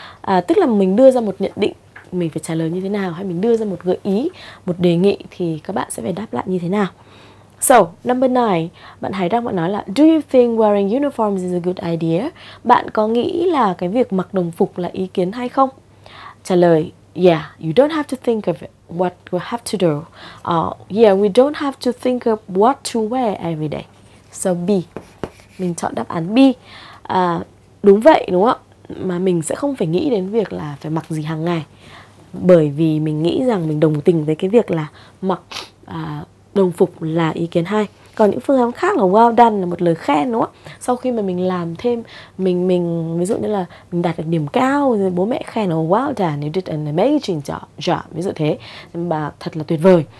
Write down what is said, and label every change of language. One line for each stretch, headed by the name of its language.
Vietnamese: Tức là mình đưa ra một nhận định, mình phải trả lời như thế nào, hay mình đưa ra một gợi ý, một đề nghị thì các bạn sẽ phải đáp lại như thế nào.
English: So, number 9,
Vietnamese: bạn Hải Đăng bạn nói là
English: do you think wearing uniforms is a good idea?
Vietnamese: Bạn có nghĩ là cái việc mặc đồng phục là ý kiến hay không? Trả lời,
English: yeah, you don't have to think of it. What we have to do. Yeah, we don't have to think of what to wear every day.
Vietnamese: So B. Mình chọn đáp án B. Đúng vậy, đúng không? Mà mình sẽ không phải nghĩ đến việc là phải mặc gì hàng ngày. Bởi vì mình nghĩ rằng mình đồng tình với cái việc là mặc đồng phục là ý kiến hay. Còn những phương án khác là
English: well done, là một lời khen, đúng không? Sau khi mà mình làm thêm, mình ví dụ như là mình đạt được điểm cao, rồi bố mẹ khen là well done, you did an amazing job,
Vietnamese: ví dụ thế, bà thật là tuyệt vời.